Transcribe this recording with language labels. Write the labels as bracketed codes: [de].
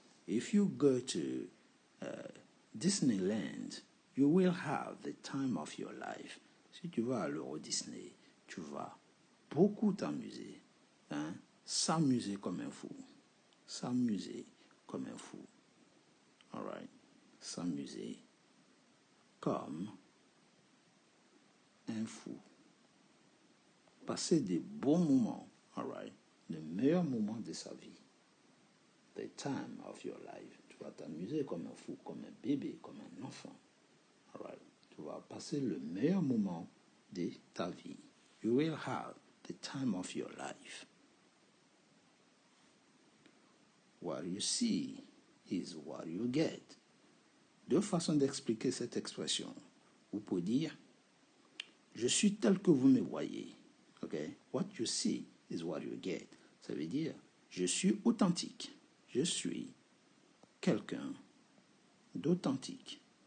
[en] If you go to Disneyland, you will have the time of your life. [fr] Si tu vas à l'Euro Disney, tu vas beaucoup t'amuser. Hein? S'amuser comme un fou. S'amuser comme un fou. [en] All right. [fr] S'amuser comme un fou. Passer des bons moments. [en] All right. [fr] Le meilleur moment de sa vie. [en] The time of your life. [fr] Tu vas t'amuser comme un fou, comme un bébé, comme un enfant. [en] All right. [fr] Tu vas passer le meilleur moment de ta vie. [en] You will have the time of your life. What you see is what you get. [fr] Deux façons d'expliquer cette expression. Vous pouvez dire, je suis tel que vous me voyez. [en] Okay? What you see is what you get. [fr] Ça veut dire, je suis authentique. Je suis quelqu'un d'authentique.